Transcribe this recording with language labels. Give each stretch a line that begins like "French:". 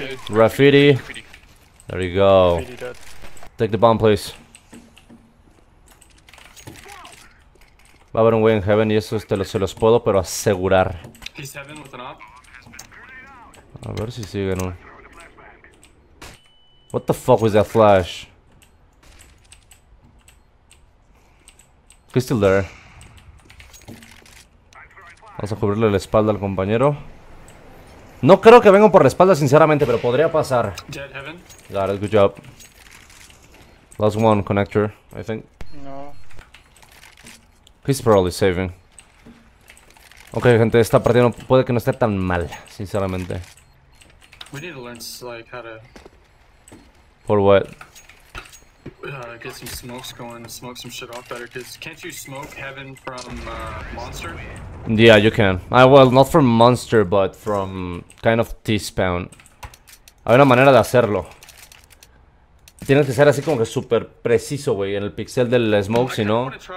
English: Graffiti. There you go. Take the bomb, please.
Spanish: Va a haber un güey en Heaven y eso se los puedo, pero asegurar. A ver si siguen un...
English: What the fuck was that flash? He's still there.
Spanish: Vamos a cubrirle la espalda al compañero. No creo que vengan por la espalda, sinceramente, pero podría pasar.
English: Dead Heaven. Got it, good job. Last one, connector, I think. No. He's probably saving.
Spanish: Ok, gente, esta partida no, puede que no esté tan mal, sinceramente.
English: We need to learn, like, how to... For what? Get some smokes going, smoke some shit off better, because can't you smoke Heaven from Monster? Yeah, you can. Well, not from Monster, but from kind of T-Spawn.
Spanish: Hay una manera de hacerlo. Tienes que ser así como que súper preciso, güey, en el pixel del smoke, si no.